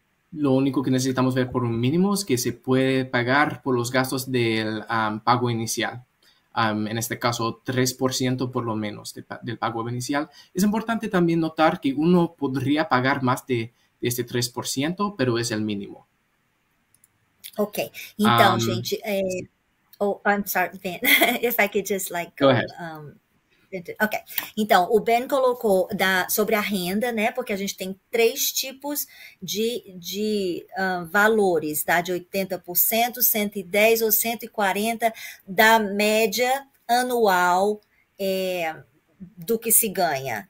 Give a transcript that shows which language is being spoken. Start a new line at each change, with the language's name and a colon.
Spanish: Lo único que necesitamos ver por un mínimo es que se puede pagar por los gastos del pago inicial. En este caso, 3% por lo menos del pago inicial. Es importante también notar que uno podría pagar más de este 3%, pero es el mínimo.
English: Ok,
Portuguese: então, gente,
English: oh, I'm sorry, Ben, if I could just like Go go, ahead.
Portuguese: ok, então, o Ben colocou sobre a renda, né, porque a gente tem três tipos de valores, tá, de 80%, 110% ou 140% da média anual, do que se ganha.